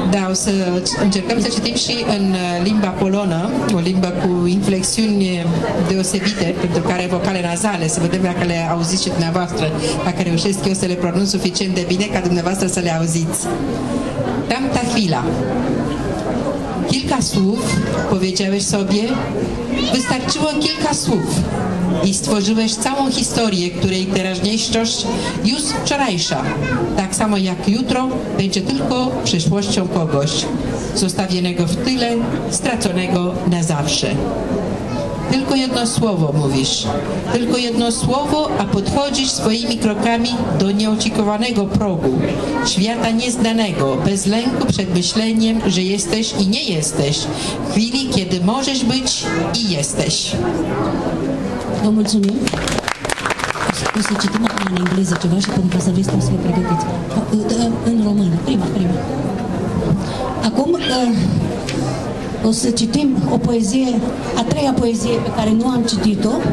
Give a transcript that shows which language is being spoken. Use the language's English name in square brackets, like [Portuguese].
[Romanian] O să încercăm să citim și în limba polonă, o limbă cu inflexiuni deosebite, pentru că are vocale nazale, să vedem dacă le auziți și dumneavoastră, dacă reușesc eu să le pronunț suficient de bine ca dumneavoastră să le auziți. [Polish] Tamta chwila. Kilka słów, powiedziałeś sobie, wystarczyło kilka słów i stworzyłeś całą historię, której teraźniejszość już wczorajsza. Tak samo jak jutro będzie tylko przyszłością kogoś, zostawionego w tyle, straconego na zawsze. Tylko jedno słowo mówisz, tylko jedno słowo, a podchodzisz swoimi krokami do nieoczekiwanego progu, świata nieznanego, bez lęku przed myśleniem, że jesteś i nie jesteś, w chwili, kiedy możesz być i jesteś. [Romanian] Mulțumim. O să citim acum în engleză ceva și pentru că să aveți timp să vă pregătiți. În română, prima. Acum o să citim o poezie, a treia poezie pe care nu am citit-o.